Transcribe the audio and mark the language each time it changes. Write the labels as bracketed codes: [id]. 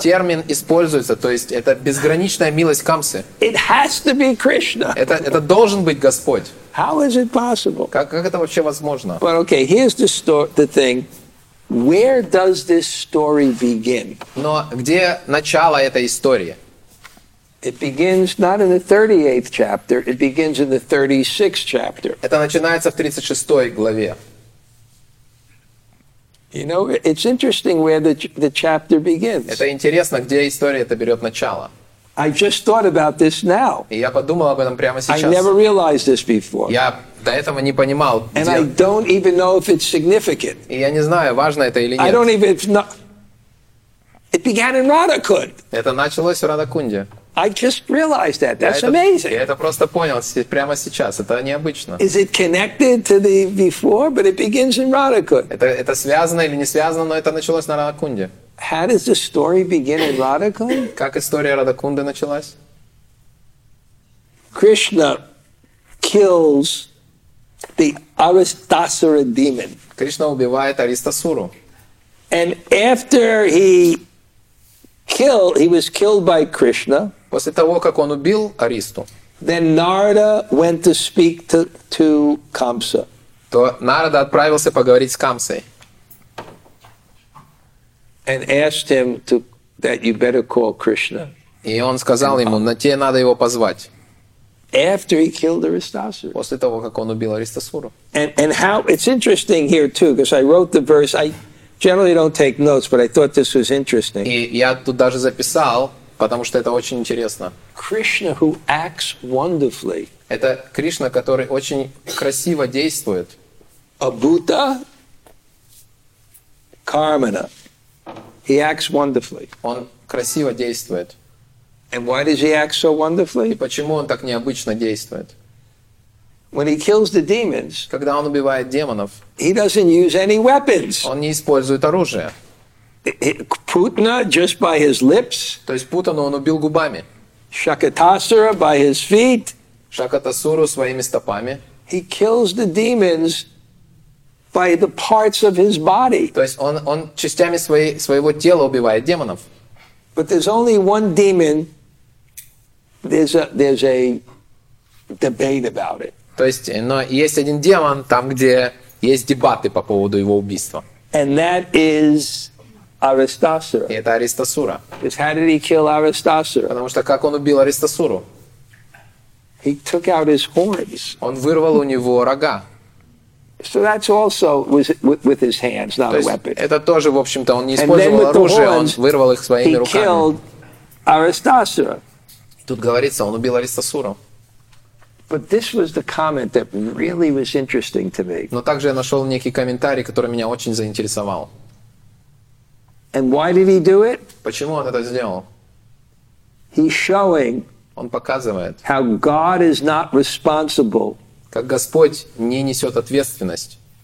[ru] Термин используется, то есть это безграничная милость Камсы. [en] It has to be Krishna. [ru] Это должен быть Господь. [en] How is it possible? [ru] Как это вообще возможно? [en] But okay, here's the thing. Where does this story begin? [ru] Но где начало этой истории? [en] It begins not in the 38th chapter, it begins in the 36th chapter. [ru] Это начинается в 36-й главе. [en] You know, it's interesting where the chapter begins. [ru] Это интересно, где история это берет начало. [en] I just thought about this now. [ru] И я подумал об этом прямо сейчас. [en] I never realized this before. [ru] Я до этого не понимал. [en] And I don't even know if it's significant. [ru] И я не знаю, важно это или нет. [en] I don't even know. It began in Radhakund. [ru] Это началось в Радхакунде. [en] I just realized that. That's amazing. [ru] Я это просто понял прямо сейчас. Это необычно. [en] Is it connected to the before, but it begins in Radhakund? [ru] Это связано или не связано, но это началось на Радхакунде. [en] How does the story begin in Radhakund? [ru] Как история Радхакунды началась? [en] Krishna kills the Aristasura demon. [ru] Кришна убивает Аристасуру. [en] And after he was killed by Krishna. [ru] После того, как он убил Аристу, [en] then Narada went to speak to Kamsa. [ru] То Нарада отправился поговорить с Камсой. [en] And asked him to that you better call Krishna. [ru] И он сказал ему, на тебе надо его позвать. [en] After he killed Aristasura. [ru] После того, как он убил Аристасуру. [en] And how it's interesting here too, because I wrote the verse. I generally don't take notes, but I thought this was interesting. [ru] И я тут даже записал. Потому что это очень интересно. [en] Krishna, who acts wonderfully. [ru] Это Кришна, который очень красиво действует. [sa] Abhuta Karmana. [en] He acts wonderfully. [ru] Он красиво действует. [en] And why does he act so wonderfully? [ru] И почему он так необычно действует? [en] When he kills the demons, [ru] когда он убивает демонов, [en] he doesn't use any weapons. [ru] Он не использует оружие. [en] Putna just by his lips. [ru] То есть Путану он убил губами. [en] Shakatasura by his feet. [ru] Shakatasuru своими стопами. [en] He kills the demons by the parts of his body. [ru] То есть он частями своего тела убивает демонов. [en] But there's only one demon. There's a debate about it. [ru] То есть, но есть один демон там, где есть дебаты по поводу его убийства. [en] And that is Аристасура. [ru] И это Аристасура. [en] Because how did he kill Аристасура? [ru] Потому что как он убил Аристасуру? [en] He took out his horns. [ru] Он вырвал у него рога. [en] So that's also with his hands, not a weapon. [ru] Это тоже, в общем-то, он не использовал оружие, он вырвал их своими руками. [en] He killed Аристасура. [ru] Тут говорится, он убил Аристасуру. [en] But this was the comment that really was interesting to me. [ru] Но также я нашел некий комментарий, который меня очень заинтересовал. [en] And why did he do it? [ru] Почему он это сделал? [en] He's showing. [ru] Он показывает. [en] How God is not responsible. [ru] Как Господь не несет ответственность.